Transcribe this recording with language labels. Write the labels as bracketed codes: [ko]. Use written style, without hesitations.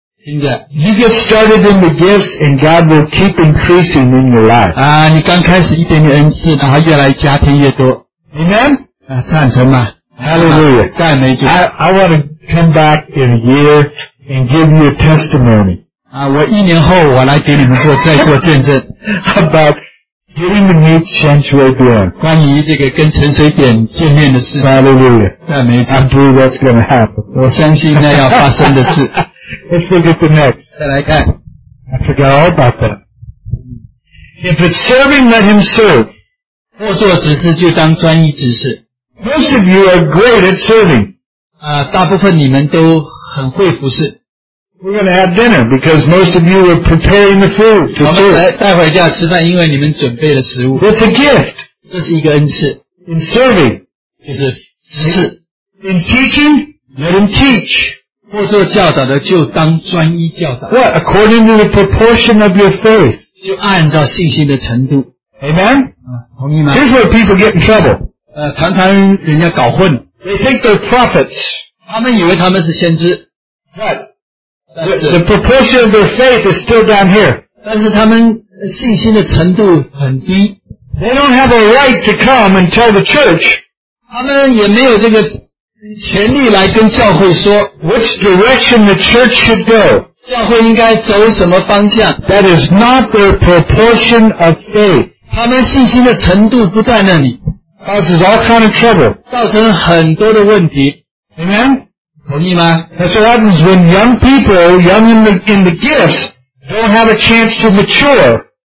[en] You get started in the gifts and God will keep increasing in your life. [zh] 你刚开始一点点恩赐，然后越来越加添越多。 [en] Amen? [zh] 赞成吗？ [en] Hallelujah. [zh] 赞美主。 [en] I want to come back in a year and give you a testimony. [zh] 我一年后我来给你们做再做见证。 [en] About getting to meet Chen Shui Bian. [zh] 关于这个跟陈水扁见面的事。 [en] Hallelujah. [zh] 赞美主。 [en] I believe that's going to happen. [zh] 我相信那要发生的事。 [en] Let's look at the next. [zh] 再来看。 [en] I forgot all about that. If it's serving, let him serve. [zh] 或做执事就当专一执事。 [en] Most of you are great at serving. [zh] 大部分你们都很会服侍。 [en] We're going to have dinner because most of you are preparing the food to serve. [zh] 我们待会就要吃饭，因为你们准备了食物。 [en] It's a gift. [zh] 这是一个恩赐。 [en] In serving. [zh] 就是执事。 [en] In teaching, let him teach. [zh] 或做教导的就当专一教导。 [en] What? According to the proportion of your faith. [zh] 就按照信心的程度。 [en] Amen? [zh] 同意吗? [en] Here's where people get in trouble. [zh] 常常人家搞混。 [en] They think they're prophets. [zh] 他们以为他们是先知。 [en] What? That's the proportion of their faith is still down here. [zh] 但是他们信心的程度很低。 [en] They don't have a right to come and tell the church. [zh] 他们也没有这个 权力来跟教会说, [en] which direction the church should go? [zh] 教会应该走什么方向? [en] That is not their proportion of faith. [zh] 他们信心的程度不在那里。 [en] Causes all kind of trouble. [zh] 造成很多的问题。 [en] Amen? [zh] 同意吗? [en] That's what happens when young people, young in the gifts, don't have a chance to mature.